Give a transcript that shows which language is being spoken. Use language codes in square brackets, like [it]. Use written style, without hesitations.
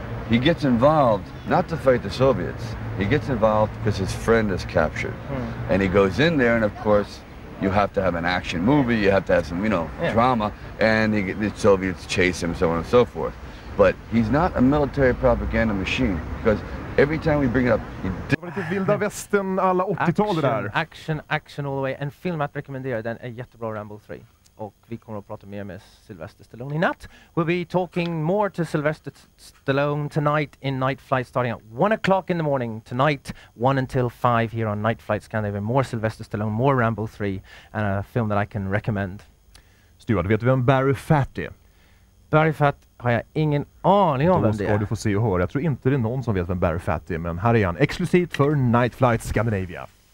[en] He gets involved not to fight the Soviets. He gets involved because his friend is captured. And he goes in there, and of course, you have to have an action movie, you have to have some, you know, drama, and the Soviets chase him, so on and so forth. But he's not a military propaganda machine, because every time we bring it up, he did... [sv] Det var lite vilda västern alla 80-talet där. [en] Action, action all the way. [sv] En film att rekommendera, den är jättebra, Rambo 3. Och vi kommer att prata mer med Sylvester Stallone i natt. [en] We'll be talking more to Sylvester Stallone tonight in Nightflight, starting at 1 o'clock in the morning tonight, 1 until 5 here on Nightflight Scandinavia. More Sylvester Stallone, more Rambo 3, and a film that I can recommend. [sv] Stuart, vet du vem Barry Fatt är? Barry Fatt har jag ingen aning om vem det är. Då ska du få se och höra. Jag tror inte det är någon som vet vem Barry Fatt är, men här är han, exklusivt för Nightflight Scandinavia.